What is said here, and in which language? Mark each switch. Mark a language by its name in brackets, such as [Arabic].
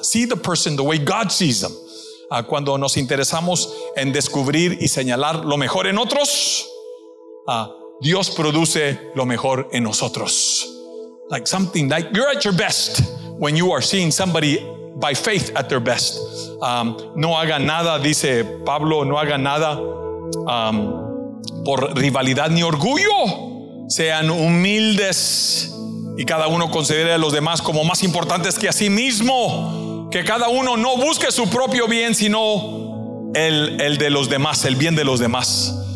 [English] See the person the way God sees them. [Spanish] Cuando nos interesamos en descubrir y señalar lo mejor en otros, Dios produce lo mejor en nosotros. [English] Like something like you're at your best when you are seeing somebody by faith at their best. [Spanish] No haga nada, dice Pablo, no haga nada por rivalidad ni orgullo. Sean humildes y cada uno considere a los demás como más importantes que a sí mismo. Que cada uno no busque su propio bien, sino el de los demás, el bien de los demás.